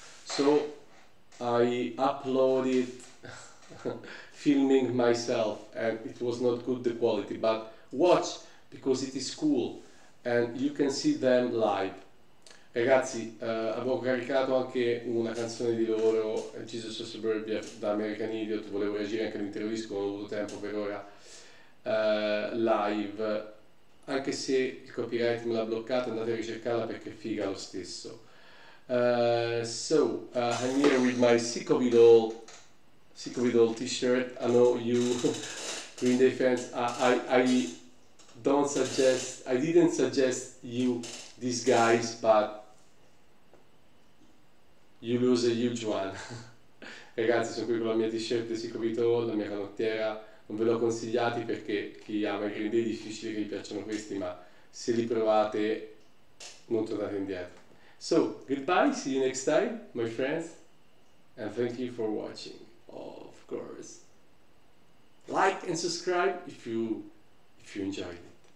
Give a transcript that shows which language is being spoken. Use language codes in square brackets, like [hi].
[en] So I uploaded filming myself and it was not good the quality, but watch, because it is cool and you can see them live. [it] Ragazzi, avevo caricato anche una canzone di loro, Jesus of Suburbia, da American Idiot. Volevo reagire anche all'intero disco, non ho avuto tempo per ora. Live, anche se il copyright me l'ha bloccata, andate a ricercarla perché è figa lo stesso. [en] I'm here with my sick of it all t-shirt. I know you, Green Day fans. I didn't suggest you these guys, but you lose a huge one. [it] Ragazzi, sono qui con la mia t-shirt di Sick of It All, la mia canottiera. Non ve l'ho consigliati perché chi ama i Green Day è difficile che gli piacciono questi, ma se li provate non tornate indietro. [en] So, goodbye, see you next time, my friends, and thank you for watching, of course. Like and subscribe if you enjoyed it.